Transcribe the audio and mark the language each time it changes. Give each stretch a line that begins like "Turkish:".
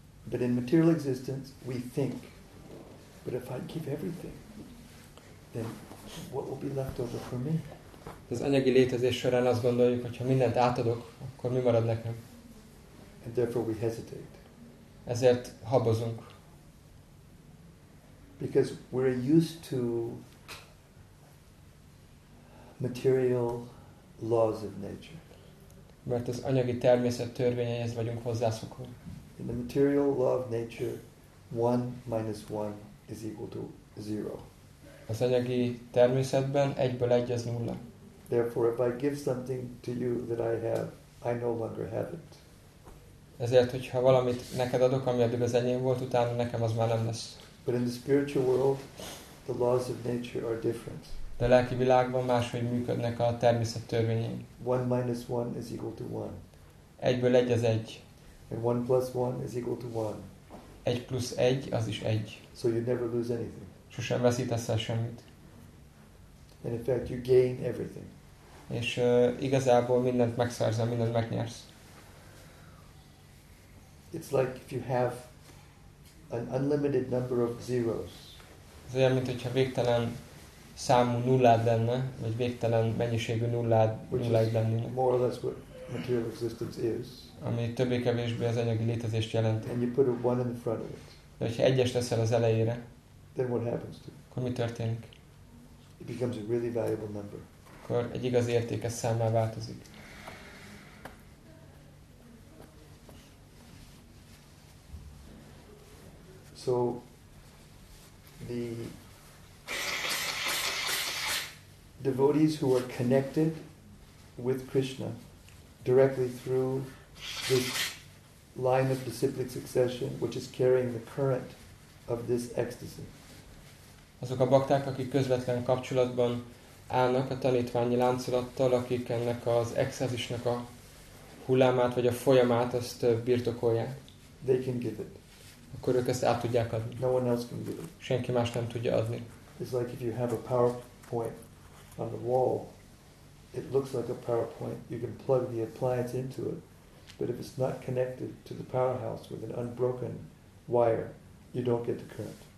English: But in material existence, we think. But if I give everything, then what will be left over for me?
Hungarian: Az anyagi létezés során azt gondoljuk, hogy ha mindent átadok, akkor mi marad nekem?
English: And therefore we hesitate.
Hungarian: Ezért habozunk.
English: Because we're used to material laws of nature.
Hungarian: Mert az anyagi természet törvényeihez vagyunk hozzászokva.
English: In the material law of nature, 1 minus 1 is equal to 0.
Hungarian: Az anyagi természetben 1-ből 1 az 0.
English: Therefore, if I give something to you that I have, I no longer have it.
Hungarian: Ezért, hogyha valamit neked adok, ami eddig az enyém volt, utána nekem az már nem lesz.
English: But in the spiritual world, the laws of nature are different.
Hungarian: De a lelki világban máshogy működnek a természet törvényei.
English: 1 minus 1 is equal to 1.
Hungarian: 1-ből 1 az 1.
English: And 1 plus 1 is equal to 1.
Hungarian: 1 plus 1 az is 1.
English: So you never lose anything.
Hungarian: Sosem veszítesz el semmit.
English: And in fact you gain everything.
Hungarian: És igazából mindent megszerzel, mindent megnyersz.
English: It's like if you have an unlimited number of zeros.
Hungarian: Ez olyan, mint hogyha végtelen számú nullád lenne, vagy végtelen mennyiségű nullád lenne.
English: More or less what material existence is.
Hungarian: Ami többé-kevésbé az anyagi létezést jelenti.
English: And you put a one in front of it.
Hungarian: De hogyha egyes teszel az elejére,
English: then what happens to it?
Hungarian: Akkor mi történik?
English: It becomes a really valuable number.
Hungarian: Akkor egy igazi értékes számmá változik.
English: So the devotees who are connected with Krishna directly through this line of disciplic succession, which is carrying the current of this ecstasy.
Hungarian: Azok a bakták, akik közvetlen kapcsolatban állnak a tanítványi láncolattal, akik ennek az extázisnak a hullámát vagy a folyamát azt birtokolják.
English: They can give it.
Hungarian: Akkor ők ezt át tudják adni.
English: No one else can give it.
Hungarian: Senki más nem tudja adni.
English: It's like if you have a PowerPoint on the wall, it looks like a PowerPoint. You can plug the appliance into it. But if it's not connected to the powerhouse with an unbroken wire, you don't get the current.